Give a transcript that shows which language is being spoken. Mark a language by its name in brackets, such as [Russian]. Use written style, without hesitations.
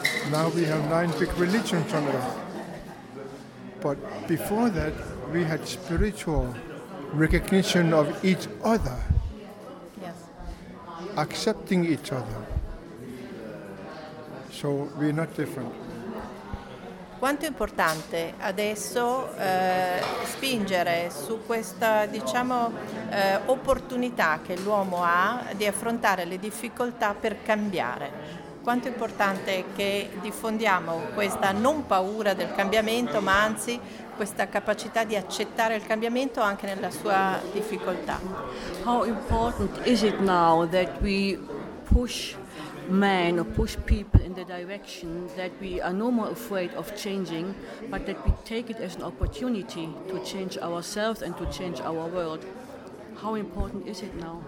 [English] Now we have 9 big religions on earth. But before that, we had spiritual recognition of each other, accepting each other. So we're not different. [Italian] Quanto è importante adesso spingere su questa, diciamo, opportunità che l'uomo ha di affrontare le difficoltà per cambiare? Quanto è importante che diffondiamo questa non paura del cambiamento, ma anzi questa capacità di accettare il cambiamento anche nella sua difficoltà? [English] How important is it now that we push men or push people in the direction that we are no more afraid of changing, but that we take it as an opportunity to change ourselves and to change our world? How important is it now?